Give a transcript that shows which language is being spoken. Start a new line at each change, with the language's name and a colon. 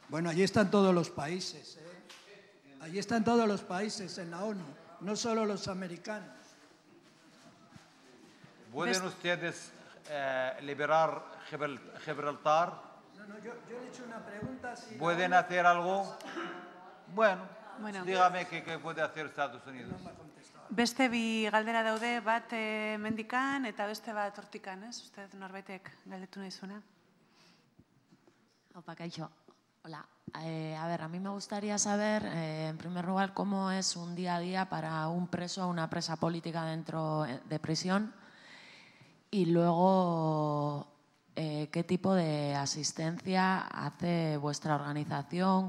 Spanish: Bueno, allí están todos los países, ¿eh? Allí están todos los países en la ONU, no solo los americanos. ¿Pueden ustedes liberar Gibraltar? No, yo le he hecho una pregunta. Si ¿pueden ONU... hacer algo? Bueno, dígame qué puede hacer Estados Unidos.
Basque: Beste bi galdera daude, bat mendikan eta beste bat hortikan, ¿eh? Usted norbaitek galdetu nahi zuena. Opa, kaixo.
Spanish: Hola, a ver, a mí me gustaría saber, en primer lugar, cómo es un día a día para un preso o una presa política dentro de prisión. Y luego, ¿qué tipo de asistencia hace vuestra organización?